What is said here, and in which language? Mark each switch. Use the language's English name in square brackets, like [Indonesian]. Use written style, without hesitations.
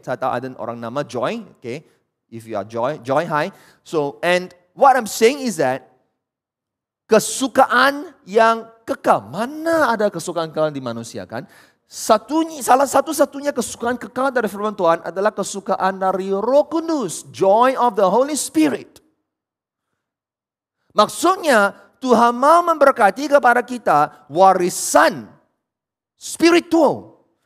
[Indonesian] Saya tahu ada orang nama Joy, okay. [English] If you are Joy, Joy, hi. So, and what I'm saying is that, [Indonesian] kesukaan yang kekal. Mana ada kesukaan kekal di manusia, kan? Salah satunya kesukaan kekal dari firman Tuhan adalah kesukaan dari Roh Kudus, [English] joy of the Holy Spirit. [Indonesian] Maksudnya Tuhan mau memberkati kepada kita warisan spiritual.